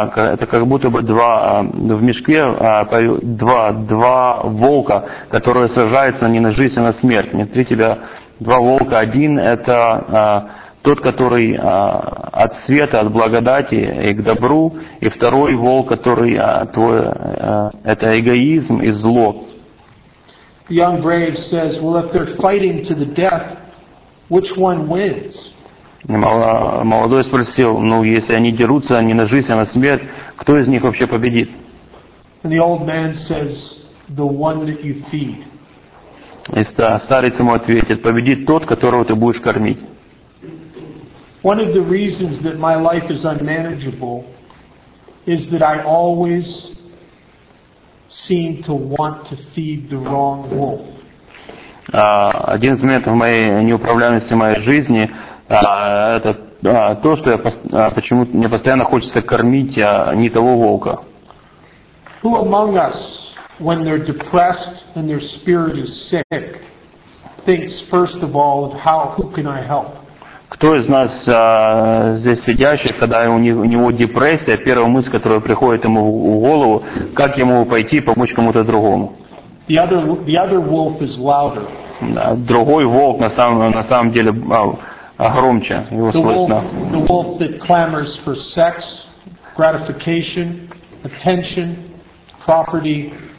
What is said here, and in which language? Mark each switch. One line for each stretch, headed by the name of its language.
Russian: Это как будто бы два волка, которые сражаются не на жизнь, а на смерть. Внутри тебя два волка. Один — это тот, который от света, от благодати и к добру. И второй волк, который это эгоизм и зло.
English: The young brave says, well, if they're fighting to the death, which one wins?
Russian: Молодой спросил, если они дерутся не на жизнь, а на смерть, кто из них вообще победит?
English: And the old man says, the one that you feed.
Russian: И старец ему ответит, победит тот, которого ты будешь кормить.
English: One of the reasons that my life is unmanageable is that I always seem to want to feed the wrong wolf.
Russian: Один из моментов моей неуправляемости моей жизни это то, что я почему-то мне постоянно хочется кормить не того волка.
English: Who among us, when they're depressed and their spirit is sick, thinks first of all of how who can I help?
Russian: Кто из нас здесь сидящих, когда у него депрессия, первая мысль, которая приходит ему в голову, как ему пойти помочь кому-то другому?
English: The other wolf is louder.
Russian: Другой волк на самом деле громче. Его слышно.
English: The wolf that clamors for sex, gratification, attention, property.